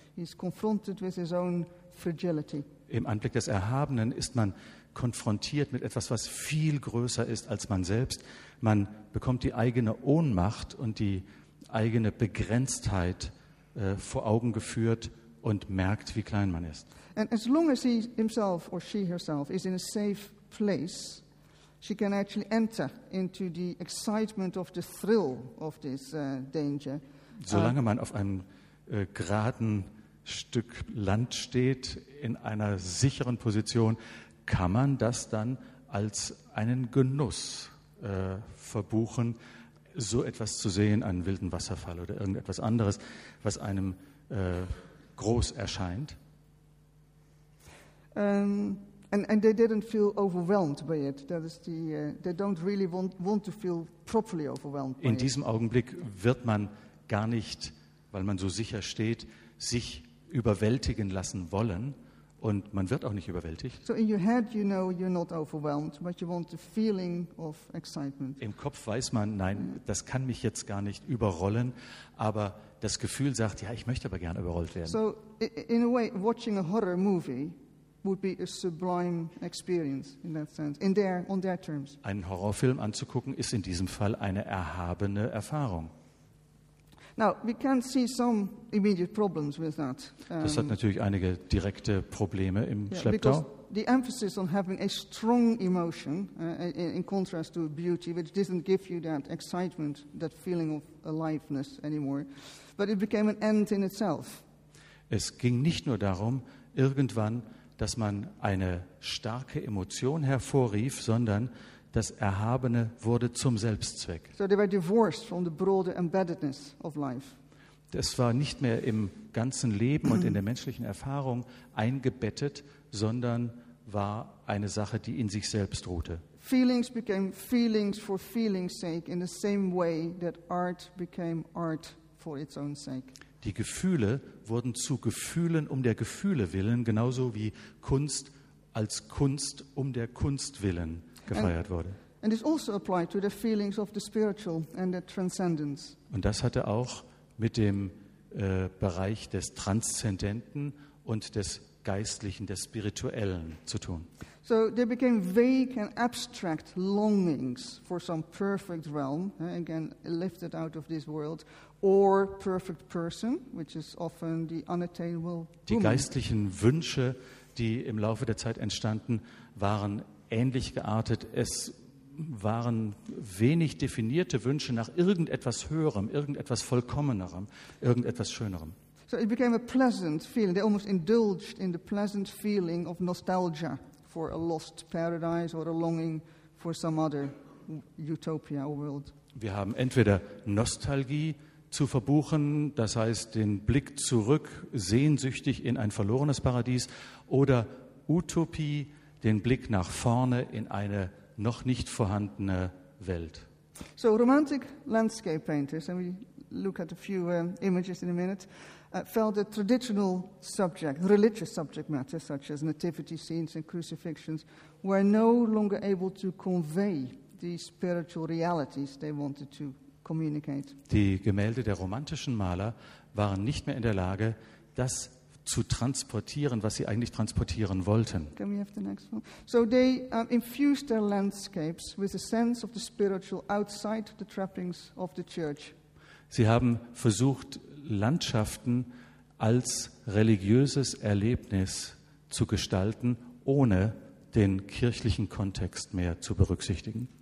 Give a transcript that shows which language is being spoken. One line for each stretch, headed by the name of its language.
English: He's confronted with his own fragility.
German: Im Anblick des Erhabenen ist man konfrontiert mit etwas, was viel größer ist als man selbst. Man bekommt die eigene Ohnmacht und die eigene Begrenztheit vor Augen geführt und merkt, wie klein man ist.
English: And as long as he himself or she herself is in a safe place, she can actually enter into the excitement of the thrill of this danger.
German: Solange man auf einem geraden Stück Land steht, in einer sicheren Position, kann man das dann als einen Genuss verbuchen, so etwas zu sehen, einen wilden Wasserfall oder irgendetwas anderes, was einem groß erscheint.
English: And they didn't feel overwhelmed by it. That is the they don't really want to feel properly overwhelmed.
German: In diesem Augenblick wird man gar nicht, weil man so sicher steht, sich überwältigen lassen wollen. Und man wird auch nicht überwältigt.
English: So in your head you know you're not overwhelmed, but you want the feeling of excitement.
German: Im Kopf weiß man, nein, das kann mich jetzt gar nicht überrollen, aber das Gefühl sagt, ja, ich möchte aber gerne überrollt werden.
English: So in a way, watching a horror movie would be a sublime experience in that sense, in their, on their terms.
German: Einen Horrorfilm anzugucken ist in diesem Fall eine erhabene Erfahrung.
English: Now we can see some immediate problems with that.
German: Das hat natürlich einige direkte Probleme im Schlepptau.
English: Because the emphasis on having a strong emotion in contrast to beauty, which didn't give you that excitement, that feeling of aliveness anymore, but it became an end in itself.
German: Es ging nicht nur darum, irgendwann, dass man eine starke Emotion hervorrief, sondern das Erhabene wurde zum Selbstzweck.
English: So they were divorced from the broader embeddedness of life.
German: Das war nicht mehr im ganzen Leben und in der menschlichen Erfahrung eingebettet, sondern war eine Sache, die in sich selbst ruhte.
English: Feelings became feelings for feeling's sake in the same way that art became art for its own sake.
German: Die Gefühle wurden zu Gefühlen um der Gefühle willen, genauso wie Kunst als Kunst um der Kunst willen.
English: And it also applied to the feelings of the spiritual and the transcendence.
German: Und das hatte auch mit dem Bereich des Transzendenten und des Geistlichen, des Spirituellen zu tun.
English: So they became vague and abstract longings for some perfect realm, again lifted out of this world, or perfect person, which is often the unattainable.
German: Die geistlichen Wünsche, die im Laufe der Zeit entstanden, waren ähnlich geartet. Es waren wenig definierte Wünsche nach irgendetwas Höherem, irgendetwas Vollkommenerem, irgendetwas Schönerem.
English: So it became a pleasant feeling. They almost indulged in the pleasant feeling of nostalgia for a lost paradise or a longing for some other utopia or world.
German: Wir haben entweder Nostalgie zu verbuchen, das heißt den Blick zurück, sehnsüchtig in ein verlorenes Paradies, oder Utopie, den Blick nach vorne in eine noch nicht vorhandene Welt.
English: So romantic landscape painters, and we look at a few images in a minute, felt that traditional subject, religious subject matter, such as nativity scenes and crucifixions, were no longer able to convey the spiritual realities they wanted to communicate.
German: Die Gemälde der romantischen Maler waren nicht mehr in der Lage, das zu transportieren, was sie eigentlich transportieren wollten.
English: Can we have the next one? So they infused their landscapes with a sense of the spiritual outside the trappings of the church.
German: Sie haben versucht, Landschaften als religiöses Erlebnis zu gestalten, ohne den kirchlichen Kontext mehr zu berücksichtigen.